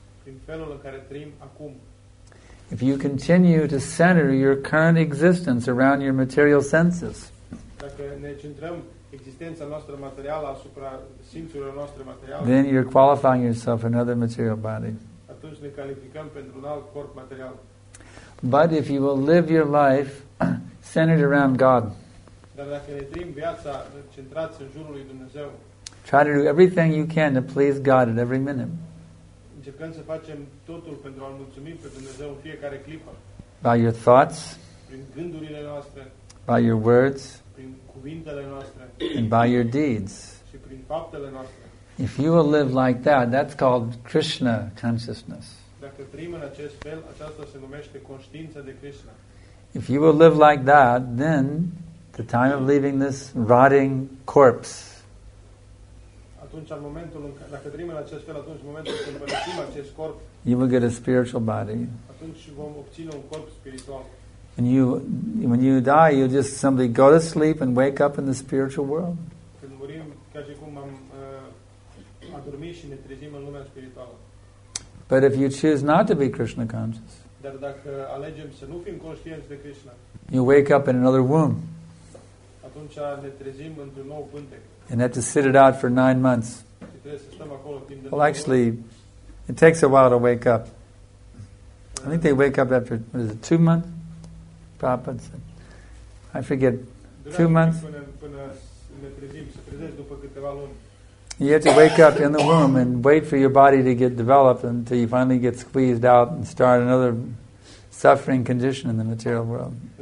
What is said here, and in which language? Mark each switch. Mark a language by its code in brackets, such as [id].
[ro] Prin felul în care trăim acum. [en] If you continue to center your current existence around your material senses. [ro] Dacă ne centrăm existența noastră materială asupra simțurilor noastre materiale. [en] Then you're qualifying yourself for another material body. [ro] Atunci ne calificăm pentru un alt corp material. [en] But if you will live your life centered around God. [ro] Dar dacă ne trăim viața centrați în jurul lui Dumnezeu. [en] Try to do everything you can to please God at every minute. [ro] Încercăm să facem totul pentru a-L mulțumi pe Dumnezeu în fiecare clipă. [en] By your thoughts. [ro] Prin gândurile noastre. [en] By your words. [ro] Prin cuvintele noastre. [en] And by your deeds. [ro] Și prin faptele noastre. [en] If you will live like that, that's called Krishna consciousness. [ro] Dacă trăim în acest fel, aceasta se numește conștiința de Krishna. [en] If you will live like that, then the time of leaving this rotting corpse. [ro] Atunci, în momentul în care, dacă trăim în acest fel, atunci, în momentul când părăsim acest corp, [en] you will get a spiritual body. [ro] Atunci vom obține un corp spiritual. [en] And you, when you die, you just simply go to sleep and wake up in the spiritual world. [ro] Când murim, ca și cum am adormit și ne trezim în lumea spirituală. [en] But if you choose not to be Krishna conscious, [ro] dar dacă alegem să nu fim conștienți de Krishna, [en] you wake up in another womb. [ro] Atunci ne trezim într-un nou pântec. [en] And have to sit it out for 9 months. Well, actually, it takes a while to wake up. I think they wake up after, what is it, 2 months? Prabhupada said. I forget, 2 months? You have to wake up in the womb and wait for your body to get developed until you finally get squeezed out and start another suffering condition in the material world.